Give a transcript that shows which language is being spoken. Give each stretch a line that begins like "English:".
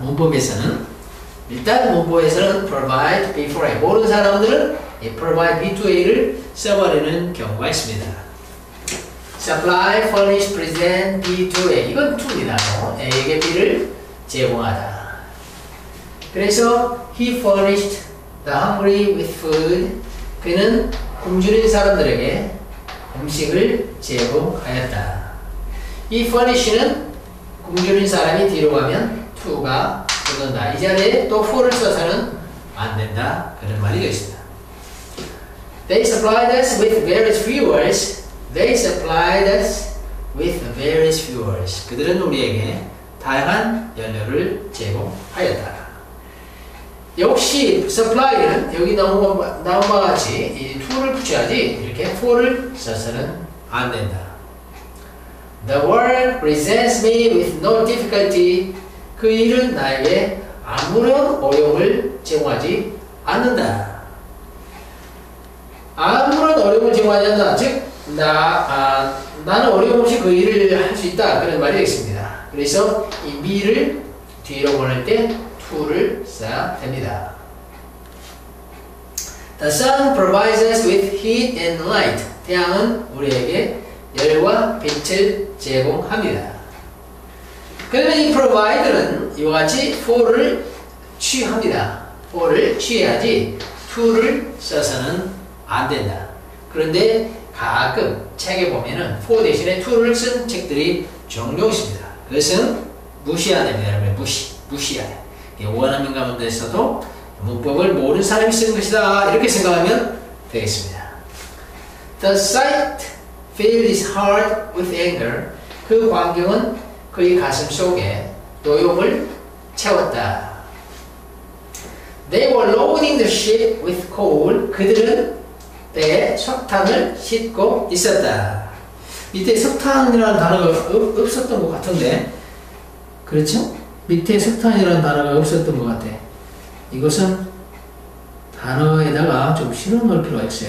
Korean: 문법에서는 일단 문법에서는
English: provide B for A
Korean: 모든 사람들은 이 provide B2A를 써버리는 경우가 있습니다. supply, furnish, present, B2A 이건 2입니다. A에게 B를 제공하다. 그래서
English: he furnished the hungry with food
Korean: 그는 굶주린 사람들에게 음식을 제공하였다. 이 furnish는 굶주린 사람이 뒤로 가면 to가 붙는다. 이 자리에 또 for를 써서는 안 된다. 그런 말이 되겠습니다.
English: They supplied us with various fuels. They supplied us with various fuels.
Korean: 그들은 우리에게 다양한 연료를 제공하였다. 역시 supply는 여기 나온 바 같이 이 to를 붙여야지 이렇게 for를 써서는 안 된다.
English: The world presents me with no difficulty.
Korean: 그 일은 나에게 아무런 어려움을 제공하지 않는다. 아무런 어려움을 제공하지 않는다. 즉 나는 어려움 없이 그 일을 할 수 있다. 그런 말이 되겠습니다. 그래서 이 me를 뒤로 보낼 때 to를 써야 됩니다.
English: The sun provides us with heat and light.
Korean: 태양은 우리에게 열과 빛을 제공합니다. 그러면 이 provide는 이와 같이 for를 취합니다. for를 취해야지 to를 써서는 안 된다. 그런데 가끔 책에 보면은 for 대신에 to를 쓴 책들이 종종 있습니다. 그것은 무시해야 됩니다. 여러분 무시해야 돼요. 원어민 가운데서도 문법을 모르는 사람이 쓰는 것이다 이렇게 생각하면 되겠습니다.
English: The sight filled his heart with anger.
Korean: 그 광경은 그의 가슴 속에 노여움을 채웠다.
English: They were loading the ship with coal.
Korean: 그들은 배에 석탄을 싣고 있었다. 밑에 석탄이라는 단어가 없었던 것 같은데 그렇죠? 밑에 석탄이라는 단어가 없었던 것 같아. 이것은 단어에다가 좀 실어 놓을 필요가 있어요.